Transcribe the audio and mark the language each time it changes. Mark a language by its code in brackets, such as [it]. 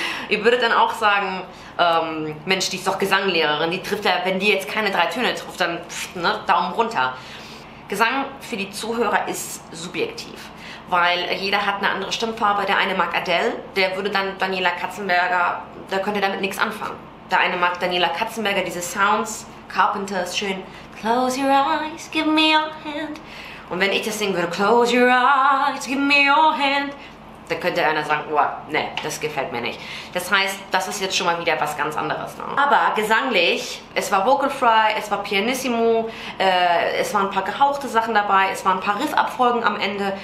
[de] Ihr würdet dann auch sagen, Mensch, die ist doch Gesanglehrerin, die trifft ja, wenn die jetzt keine drei Töne trifft, dann pff, ne, Daumen runter. Gesang für die Zuhörer ist subjektiv, weil jeder hat eine andere Stimmfarbe. Der eine mag Adele, der würde dann Daniela Katzenberger, da könnt ihr damit nichts anfangen. Der eine mag Daniela Katzenberger, diese Sounds, Carpenters, schön. [en] Close your eyes, give me your hand. [de] Und wenn ich das singen würde, [en] close your eyes, give me your hand, [de] dann könnte einer sagen, wow, ne, das gefällt mir nicht. Das heißt, das ist jetzt schon mal wieder was ganz anderes. Ne? Aber gesanglich, es war Vocal Fry, es war Pianissimo, es waren ein paar gehauchte Sachen dabei, es waren ein paar Riffabfolgen am Ende.